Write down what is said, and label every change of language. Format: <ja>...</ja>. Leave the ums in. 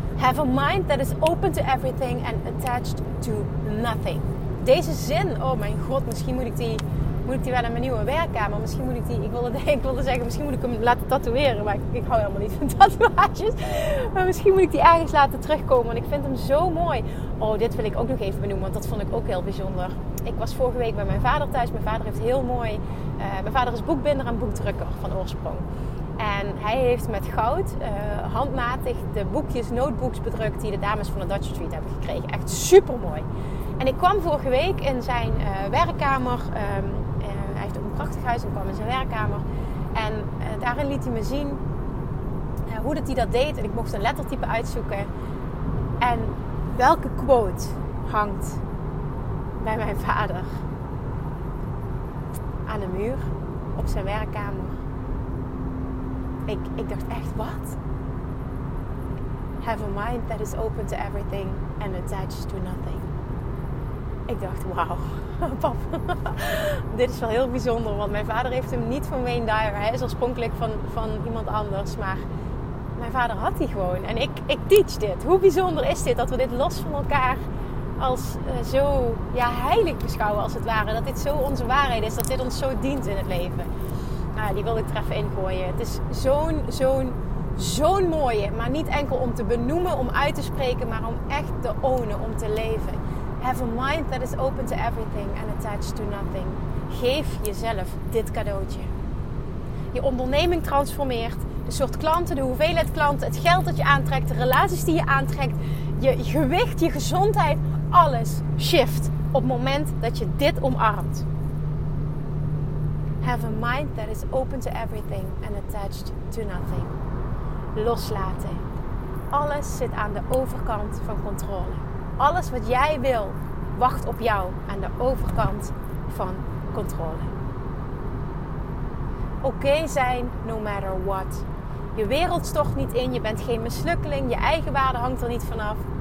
<en>Have a mind that is open to everything and attached to nothing.</en> <nl>Deze zin, oh mijn god, misschien moet ik die moet ik die wel in mijn nieuwe werkkamer? Misschien moet ik die, ik wilde, ik wilde zeggen, misschien moet ik hem laten tatoeëren. Maar ik, ik hou helemaal niet van tatoeages. Maar misschien moet ik die ergens laten terugkomen. Want ik vind hem zo mooi. Oh, dit wil ik ook nog even benoemen. Want dat vond ik ook heel bijzonder. Ik was vorige week bij mijn vader thuis. Mijn vader heeft heel mooi. Uh, mijn vader is boekbinder en boekdrukker van oorsprong. En hij heeft met goud uh, handmatig de boekjes, notebooks bedrukt. die de dames van de Dutch Street hebben gekregen. Echt super mooi. En ik kwam vorige week in zijn uh, werkkamer. Um, prachtig huis en kwam in zijn werkkamer. En daarin liet hij me zien hoe dat hij dat deed. En ik mocht een lettertype uitzoeken. En welke quote hangt bij mijn vader aan de muur op zijn werkkamer? Ik, ik dacht echt, wat?</nl> <en>Have a mind that is open to everything and attached to nothing.</en> <nl>Ik dacht, wow pap. Dit is wel heel bijzonder, want mijn vader heeft hem niet van Wayne Dyer. Hij is oorspronkelijk van, van iemand anders, maar mijn vader had die gewoon. En ik, ik teach dit. Hoe bijzonder is dit dat we dit los van elkaar als uh, zo ja, heilig beschouwen, als het ware? Dat dit zo onze waarheid is, dat dit ons zo dient in het leven. Nou, die wil ik treffen ingooien. Het is zo'n, zo'n, zo'n mooie, maar niet enkel om te benoemen, om uit te spreken, maar om echt te ownen, om te leven.</nl> <en>Have a mind that is open to everything and attached to nothing.</en> <nl>Geef jezelf dit cadeautje. Je onderneming transformeert. De soort klanten, de hoeveelheid klanten, het geld dat je aantrekt, de relaties die je aantrekt, je gewicht, je gezondheid, alles shift op het moment dat je dit omarmt.</nl> <en>Have a mind that is open to everything and attached to nothing.</en> <nl>Loslaten. Alles zit aan de overkant van controle alles wat jij wil wacht op jou aan de overkant van controle. Oké okay zijn,</nl> <en>no matter what.</en> <nl>Je wereld stort niet in, je bent geen mislukkeling, je eigen waarde hangt er niet vanaf.</nl>